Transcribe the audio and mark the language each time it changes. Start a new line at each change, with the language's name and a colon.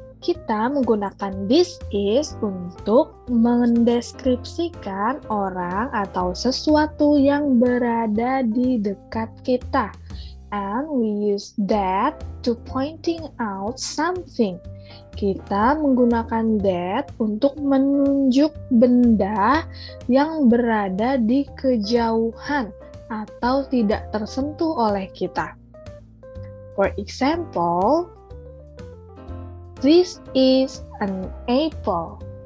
Indonesian: Kita menggunakan this is untuk mendeskripsikan orang atau sesuatu yang berada di dekat kita.
English: And we use that to pointing out something.
Indonesian: Kita menggunakan that untuk menunjuk benda yang berada di kejauhan atau tidak tersentuh oleh kita.
English: For example, this is an apple.